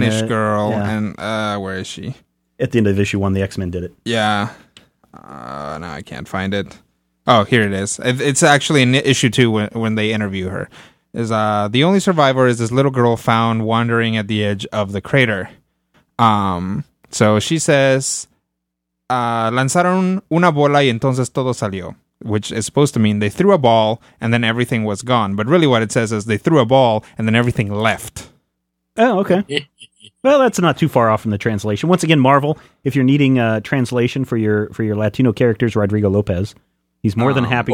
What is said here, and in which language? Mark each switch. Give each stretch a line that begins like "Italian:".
English: There's a little Spanish girl, yeah. And where is she? At the end of issue 1, the X-Men did it. Yeah. No, I can't find it. Oh, here it is. It's actually in issue 2 when they interview her. Is the only survivor is this little girl found wandering at the edge of the crater.
Spanish: So she says, lanzaron una bola y entonces todo salió.
English: Which is supposed to mean they threw a ball and then everything was gone. But really what it says is they threw a ball and then everything left. Oh, okay. Well, that's not too far off from the translation. Once again, Marvel, if you're needing a translation for your Latino characters, Rodrigo Lopez, he's more than happy